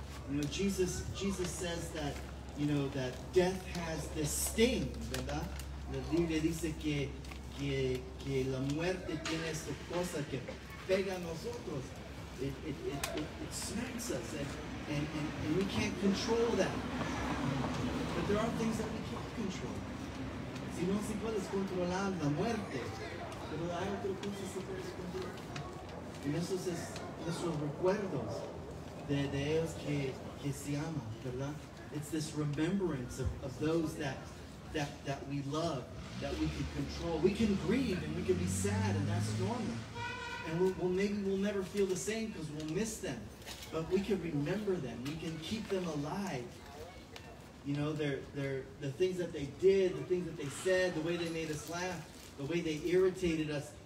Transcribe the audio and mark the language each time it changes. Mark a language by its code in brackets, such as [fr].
[en] You know, Jesus says that, you know, that death has this sting, ¿verdad? [es] La Biblia dice que la muerte tiene esta cosa que pega a nosotros. [en] It smacks us, and we can't control that. But there are things that we can't control. [es] Si no, si puedes controlar la muerte, pero hay otras cosas que puedes controlar. Y esos es esos recuerdos de ellos que se aman, ¿verdad? [en] It's this remembrance of those that we love, that we can control. We can grieve and we can be sad, and that's normal. And we'll maybe we'll never feel the same because we'll miss them. But we can remember them. We can keep them alive. You know, they're the things that they did, the things that they said, the way they made us laugh, the way they irritated us.